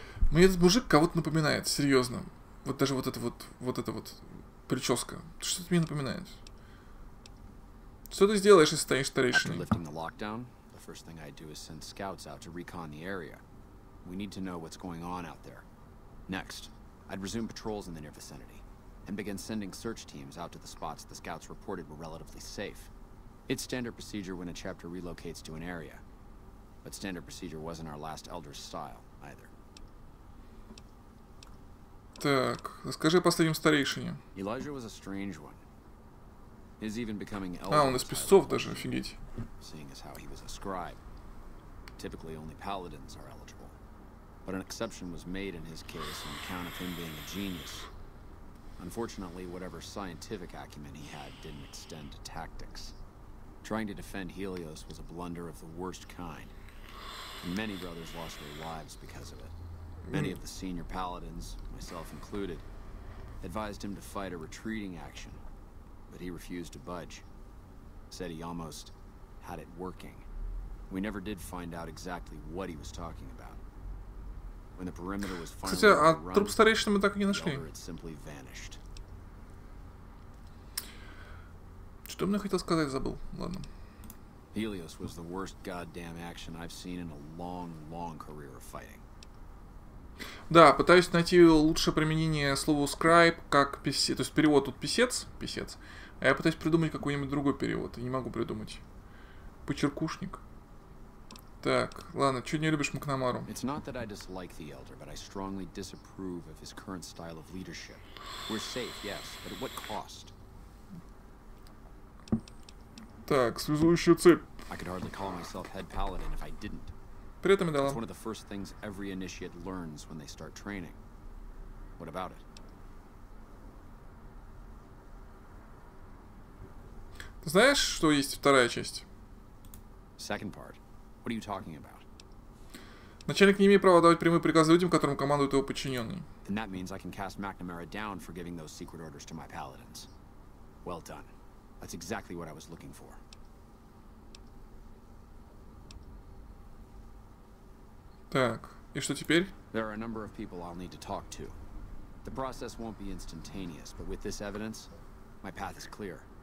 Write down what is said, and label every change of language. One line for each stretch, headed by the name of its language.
Russian: Мне этот мужик кого-то напоминает, серьезно. Вот даже вот эта прическа. Что ты мне напоминаешь? Что ты сделаешь, если станешь старейшиной?
English: After lifting the lockdown, the first thing I do is send scouts out to recon the area. We need to know what's going on out there. Next. I'd resume patrols in the near vicinity, and begin sending search teams out to the spots the scouts reported were relatively safe. It's standard procedure when a chapter relocates to an area, but standard procedure wasn't our last Elder's style, either.
Russian: Так, расскажи о последнем старейшине.
English: Elijah was a strange one. His even becoming Elder...
Russian: А, он из песцов даже, офигеть.
English: Seeing as how he was a scribe. Typically only paladins are eligible. But an exception was made in his case on account of him being a genius. Unfortunately, whatever scientific acumen he had didn't extend to tactics. Trying to defend Helios was a blunder of the worst kind. And many brothers lost their lives because of it. Many of the senior paladins, myself included, advised him to fight a retreating action. but he refused to budge. Said he almost had it working. We never did find out exactly what he was talking about. When the perimeter was finally
Russian: труп старейшины мы так и не нашли.
English: It simply vanished.
Russian: Что мне хотел сказать, забыл. Ладно.
English: Helios was the worst goddamn action I've seen in a long, long career of fighting.
Russian: Да, пытаюсь найти лучшее применение слова scribe как писец. То есть перевод тут писец, писец. А я пытаюсь придумать какой-нибудь другой перевод. И не могу придумать. Почеркушник. Так, ладно, чё не любишь Макнамару?
English: It's not that I dislike the Elder, but I strongly disapprove of his current style of leadership. We're safe, yes, but at what cost?
Russian: Так, связующая цепь.
English: I could hardly call myself head paladin if I didn't.
Russian: При этом я дала.
English: It's one of the first things every initiate learns when they start training. What about it?
Russian: Ты знаешь, что есть вторая часть?
English: Second part. What are you talking about?
Russian: Начальник не имеет права давать прямые приказы людям, которым командуют его подчиненные.
English: Then that means I can cast McNamara down for giving those secret orders to my paladins. Well done. That's exactly what I was looking for.
Russian: Так, и что теперь?
English: There are a number of people I'll need to talk to. The process won't be instantaneous, but with this evidence, my path is clear.